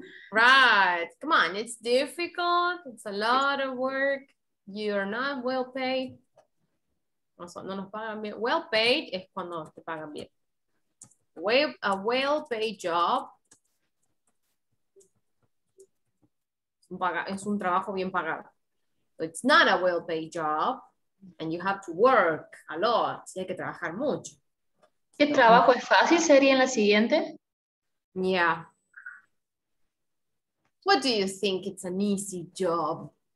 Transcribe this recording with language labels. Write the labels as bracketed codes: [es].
[en] Right. Come on, it's difficult. It's a lot of work. You're not well paid. [es] No, no nos pagan bien. [en] Well paid [es] es cuando te pagan bien. [en] A well paid job [es] es un trabajo bien pagado. [en] It's not a well paid job and you have to work a lot. [es] Sí, hay que trabajar mucho. ¿Qué trabajo es fácil sería en la siguiente? [en] Yeah. What do you think it's an easy job?